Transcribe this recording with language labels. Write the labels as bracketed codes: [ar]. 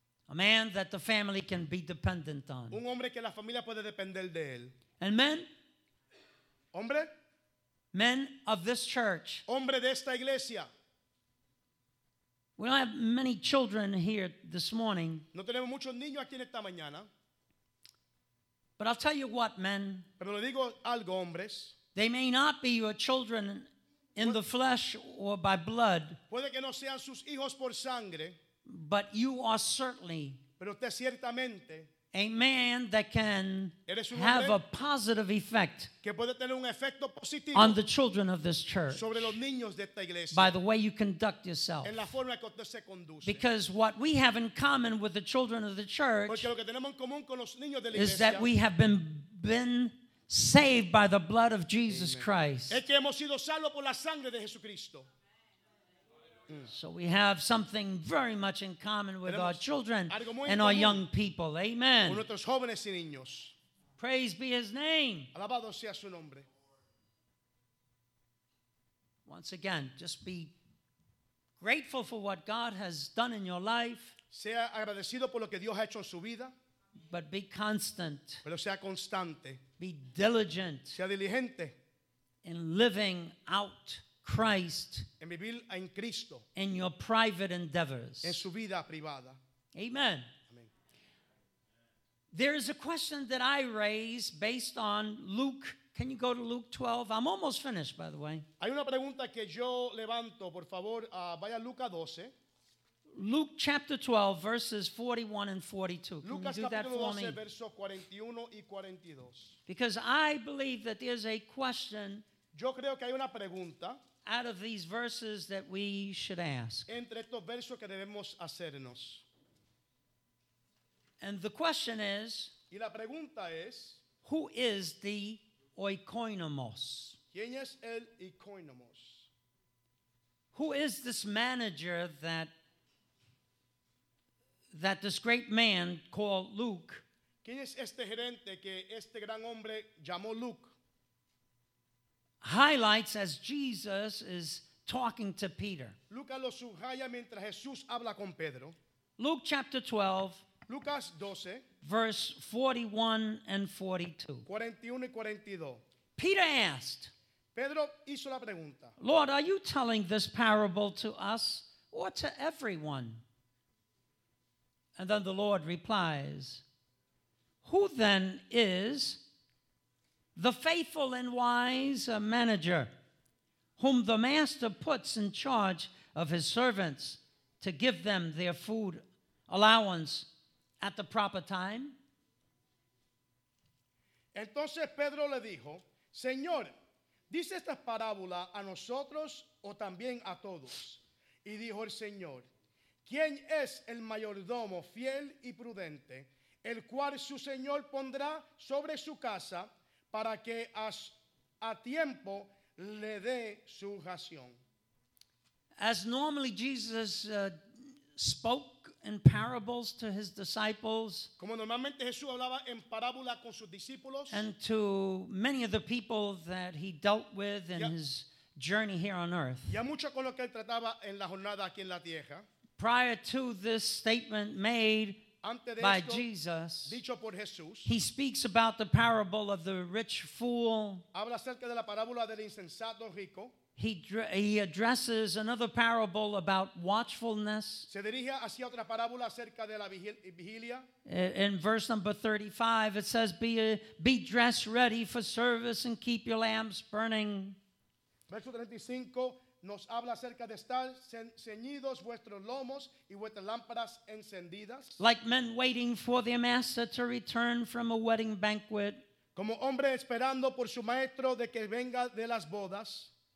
[en] A man that the family can be dependent on. [es] Un hombre que la familia puede depender de él. [en] And men? [es] Hombre? [en] Men of this church. [es] Hombre de esta iglesia. [en] We don't have many children here this morning. [es] No tenemos muchos niños aquí en esta mañana. [en] But I'll tell you what, men. [es] Pero le digo algo, hombres. [en] They may not be your children in the flesh or by blood. [es] Puede que no sean sus hijos por sangre. [en] But you are certainly [es] pero usted ciertamente [en] a man that can have a positive effect [es] que puede tener un efecto positivo [en] on the children of this church [es] sobre los niños de esta iglesia [en] by the way you conduct yourself. [es] En la forma que usted se conduce. [en] Because what we have in common with the children of the church [es] porque lo que tenemos en común con los niños de la iglesia [en] is that we have been saved by the blood of Jesus Amen. Christ. [es] Es que hemos sido salvos por la sangre de Jesucristo. [en] So we have something very much in common with [es] tenemos [en] our children and our young people. Amen. [es] Nuestros jóvenes y niños. [en] Praise be his name. [es] Alabado sea su nombre. [en] Once again, just be grateful for what God has done in your life. [es] Sea agradecido por lo que Dios ha hecho en su vida. [en] But be constant. [es] Pero sea constante. [en] Be diligent. [es] Sea diligente. [en] In living out Christ [es] en vivir en Cristo. [en] In your private endeavors. [es] En su vida privada. [en] Amen. [es] Amen. [en] There is a question that I raise based on Luke. Can you go to Luke 12? I'm almost finished, by the way. [es] Hay una pregunta que yo levanto, por favor, vaya a Lucas 12. [en] Luke chapter 12, verses 41 and 42. Can [es] Lucas [en] you do that for [es] 12, [en] me? [es] Verso 41 y 42. [en] Because I believe that there's a question [es] yo creo que hay una pregunta [en] out of these verses that we should ask. [es] Entre estos versos que debemos hacernos. [en] And the question is, [es] y la pregunta es, [en] who is the oikonomos? [es] ¿Quién es el oikonomos? [en] Who is this manager that this great man called Luke? [es] ¿Quién es este gerente que este gran hombre llamó Luke? [en] Highlights as Jesus is talking to Peter. [es] Luke lo subraya mientras Jesús habla con Pedro. [en] Luke chapter 12, [es] Lucas 12, [en] verse 41 and 42. [es] 41 y 42. [en] Peter asked, [es] Pedro hizo la pregunta, [en] Lord, are you telling this parable to us or to everyone? And then the Lord replies, who then is the faithful and wise manager whom the master puts in charge of his servants to give them their food allowance at the proper time? [es] Entonces Pedro le dijo, Señor, dice esta parábola a nosotros o también a todos. Y dijo el Señor, ¿quién es el mayordomo fiel y prudente, el cual su señor pondrá sobre su casa para que a tiempo le dé su ración? [en] As normally Jesus spoke in parables to his disciples, [es] como normalmente Jesús hablaba en parábola con sus discípulos, [en] and to many of the people that he dealt with in his journey here on earth, [es] y a muchos con los que él trataba en la jornada aquí en la tierra, [en] prior to this statement made by [es] esto, [en] Jesus, [es] dicho por Jesús, [en] he speaks about the parable of the rich fool. [es] Habla acerca de la parábola del insensato rico. [en] He addresses another parable about watchfulness. [es] Se dirige hacia otra parábola acerca de la vigilia. [en] In verse number 35, it says, be dressed ready for service and keep your lamps burning. [es] Verso 35 nos habla acerca de estar ceñidos vuestros lomos y vuestras lámparas encendidas. [en] Like men waiting for their master to return from a wedding banquet. [es] Como hombre esperando por su maestro de que venga de las bodas.